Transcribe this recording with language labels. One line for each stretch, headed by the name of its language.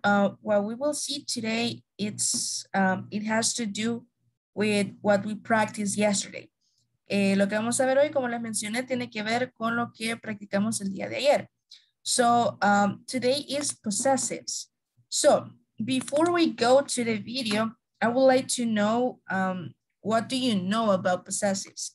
English: What we will see today, it has to do with what we practiced yesterday.
Spanish: Lo que vamos a ver hoy, como les mencioné, tiene que ver con lo que practicamos el día de ayer.
English: So, today is possessives. So, before we go to the video, I would like to know, what do you know about possessives?